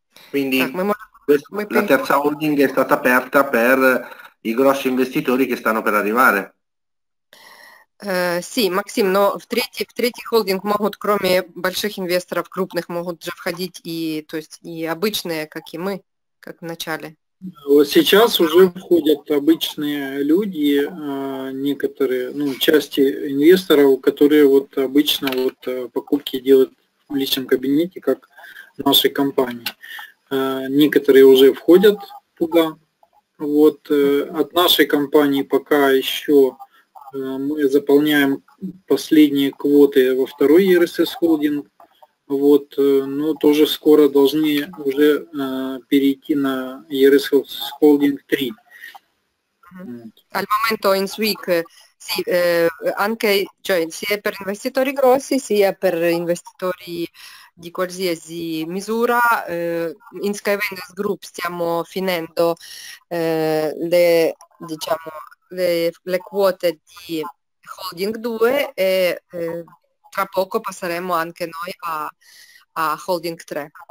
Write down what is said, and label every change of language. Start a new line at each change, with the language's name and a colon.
Italian: Quindi la terza holding è stata aperta per i grossi investitori che stanno per arrivare. Sì,
Russian: Максим, но в третий холдинг могут, кроме больших инвесторов крупных, могут же входить и, то есть, и обычные, как и мы, как в начале. Сейчас уже входят обычные люди, некоторые, ну, части инвесторов, которые вот обычно вот покупки делают в личном кабинете, как в нашей компании. Некоторые уже входят туда. Вот от нашей компании пока еще мы заполняем последние квоты во второй ERSS холдинг. Вот, но тоже скоро должны уже перейти на ERSS холдинг 3.
Italian: Al momento in Swick, sì, anche, cioè, sia per investitori grossi sia per investitori di qualsiasi misura, in Skyvendors Group stiamo finendo le quote di Holding 2 e tra poco passeremo anche noi a Holding 3.